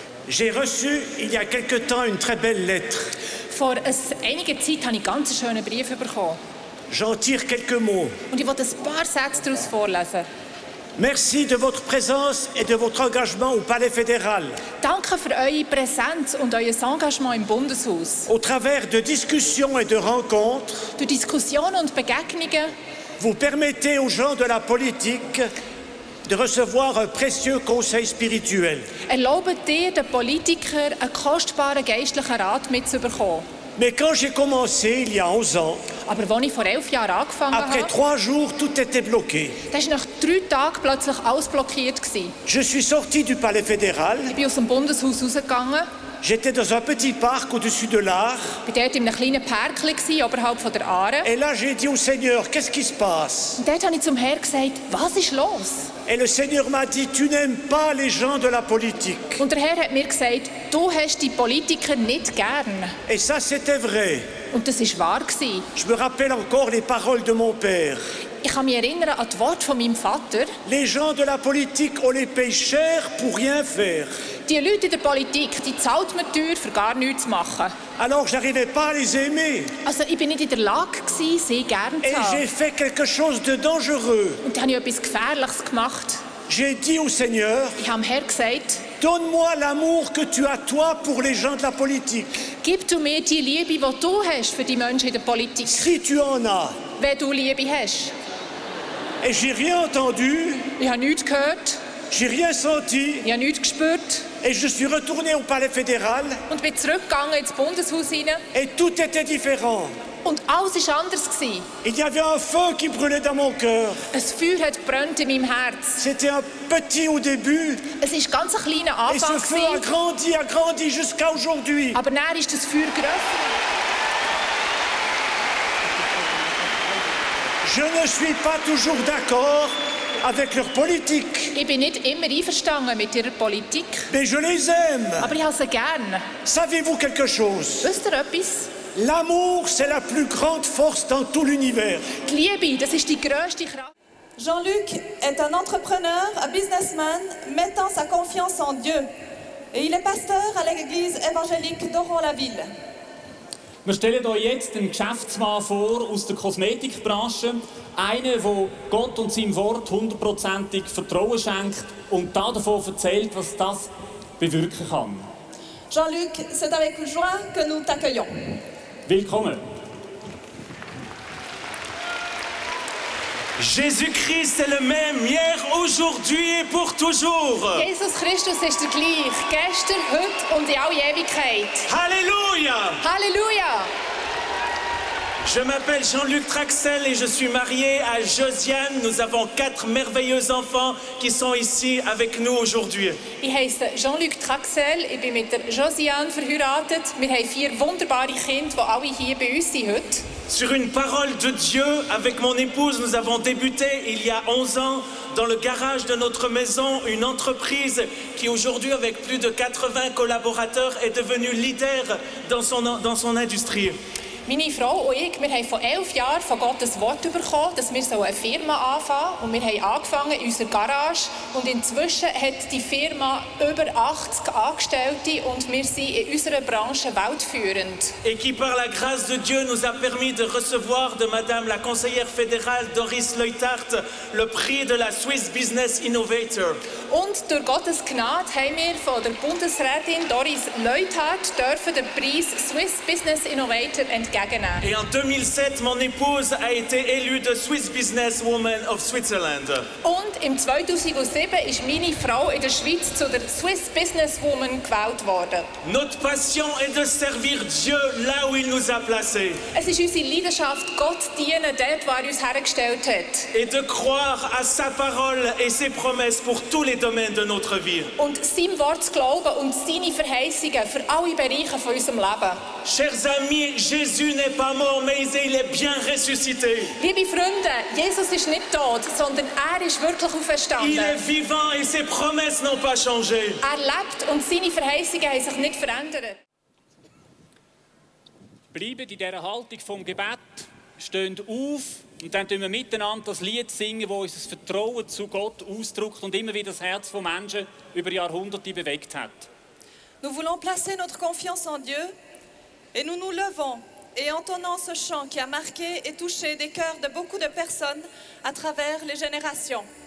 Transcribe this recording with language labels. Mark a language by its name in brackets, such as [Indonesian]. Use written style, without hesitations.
[French] J'ai reçu il y a quelque temps une très belle lettre. [German] Vor einiger Zeit habe ich ganz schöne Briefe bekommen. [French] J'en tire quelques mots. [German] Und ich will ein paar Sätze daraus vorlesen. [French] Merci de votre présence et de votre engagement au Palais fédéral. [German] Danke für eure Präsenz und euer Engagement im Bundeshaus. [French] Au travers de discussions et de rencontres. [German] Durch Diskussionen und Begegnungen. [French] Vous permettez aux gens de la politique de recevoir un précieux conseil spirituel. [German] Erlaubt dir, den Politikern einen kostbaren geistlichen Rat mitzubekommen. [French] Mais quand j'ai commencé il y a 11 ans, [German] aber wenn ich vor 11 Jahren angefangen [French] après [German] habe, [French] trois jours, tout était bloqué. [German] Dann ist nach drei Tagen plötzlich alles blockiert gewesen. [French] Je suis sorti du Palais fédéral. [German] Ich bin aus dem Bundeshaus rausgegangen. [French] J'étais dans un petit parc au-dessus de l'Ar. [German] Bin dort in einem kleinen Parkli gsi, oberhalb von der Aare. [French] Et là, j'ai dit au Seigneur, qu'est-ce qui se passe? [German] Und dort habe ich zum Herr gesagt, was ist los? [French] Et le Seigneur m'a dit, tu n'aimes pas les gens de la politique. [German] Und der Herr hat mir gesagt, du hast die Politiker nicht gern. [French] Et ça, c'était vrai. [German] Und das ist wahr gsi. [French] Je me rappelle encore les paroles de mon père. [German] Ich kann mich erinnern an die Worte von meinem Vater. [French] Les gens de la politique, on les paye cher pour rien faire. [German] Die Leute in der Politik, die zahlt mir teuer, für gar nichts zu machen. [French] Alors, j'arrivais pas à les aimer. [German] Also, ich bin nicht in der Lage gewesen, sie gern zu haben. [French] Et j'ai fait quelque chose de dangereux. [German] Und dann habe ich etwas Gefährliches gemacht. [French] J'ai dit au Seigneur, [German] ich habe dem Herr gesagt, [French] donne-moi l'amour que tu as toi pour les gens de la politique. [German] Gib-tu mir die Liebe, die du hast für die Menschen in der Politik. [French] Si tu en as. [German] Wenn du Liebe hast. [French] Et j'ai rien entendu. [German] Ich habe nichts gehört. [French] J'ai rien senti. [German] Ich habe nichts gespürt. [French] Et je suis retourné au Palais fédéral. [German] Und bin zurückgegangen ins Bundeshaus hinein. [French] Et tout était différent. [German] Und alles ist anders gsi. [French] Il y avait un feu qui brûlait dans mon cœur. [German] Ein Feuer hat brennt in meinem Herz. [French] C'était un petit au début. [German] Es ist ganz ein kleiner Anfang. [French] Et ce feu a grandi jusqu'à aujourd'hui. [German] Aber dann ist das Feuer grösser. [French] Je ne suis pas toujours d'accord avec leur politique. [German] Ich bin nicht immer einverstanden mit ihrer Politik. [French] Mais je les aime. [German] Aber ich habe sie gern. [French] Savez-vous quelque chose? [German] Wisst ihr etwas? [French] L'amour, c'est la plus grande force dans tout l'univers. [German] Die Liebe, das ist die grösste Kraft. [French] Jean-Luc est un entrepreneur, un businessman, mettant sa confiance en Dieu. Et il est pasteur à l'église évangélique d'Oron-la-Ville. [German] Wir stellen euch jetzt einen Geschäftsmann vor aus der Kosmetikbranche. Einen, der Gott und seinem Wort hundertprozentig Vertrauen schenkt und davon erzählt, was das bewirken kann. [French] Jean-Luc, c'est avec joie que nous t'accueillons. [German] Willkommen. [French] Jésus-Christ est le même hier, aujourd'hui et pour toujours. [German] Jesus Christus ist der gleiche, gestern, heute und in alle Ewigkeit. Halleluja! Halleluja! [French] Je m'appelle Jean-Luc Traxel et je suis marié à Josiane. Nous avons 4 merveilleux enfants qui sont ici avec nous aujourd'hui. [German] Ich heiße Jean-Luc Traxel, ich bin mit Josiane verheiratet. Wir haben 4 wunderbare Kinder, die alle hier bei uns sind heute. [French] Sur une parole de Dieu, avec mon épouse, nous avons débuté il y a 11 ans dans le garage de notre maison, une entreprise qui aujourd'hui, avec plus de 80 collaborateurs, est devenue leader dans son industrie. [German] Meine Frau und ich, wir haben vor 11 Jahren von Gott das Wort bekommen, dass wir eine Firma anfangen sollen. Und wir haben angefangen in unserer Garage. Und inzwischen hat die Firma über 80 Angestellte und wir sind in unserer Branche weltführend. [French] Et qui par la grâce de Dieu nous a permis de recevoir de Madame la conseillère fédérale Doris Leuthard le prix de la Swiss Business Innovator. [German] Und durch Gottes Gnade haben wir von der Bundesrätin Doris Leuthard dürfen den Preis Swiss Business Innovator entgegen. [French] Et en 2007, mon épouse a été élue de Swiss Businesswoman of Switzerland. [German] Und im 2007 ist meine Frau in der Schweiz zu der Swiss Businesswoman gewählt worden. [French] Notre passion est de servir Dieu là où il nous a placés. [German] Es ist unsere Leidenschaft, Gott dienen, dort, wo er uns hergestellt hat. [French] Et de croire à sa parole et ses promesses pour tous les domaines de notre vie. [German] Und seinem Wort zu glauben und seine Verheißungen für alle Bereiche von unserem Leben. [French] Chers amis, Jésus n'est pas mort, mais il est bien ressuscité. [German] Liebe Freunde, Jesus ist nicht tot, sondern er ist wirklich auferstanden. [French] Il est vivant et ses promesses n'ont pas changé. [German] Er lebt und seine Verheißungen haben sich nicht verändert. Bleibt in dieser Haltung vom Gebet, steht auf und dann singen wir miteinander das Lied, singen, das unser Vertrauen zu Gott ausdrückt und immer wieder das Herz von Menschen über Jahrhunderte bewegt hat. [French] Nous voulons placer notre confiance en Dieu. Et nous nous levons et entonnons ce chant qui a marqué et touché des cœurs de beaucoup de personnes à travers les générations.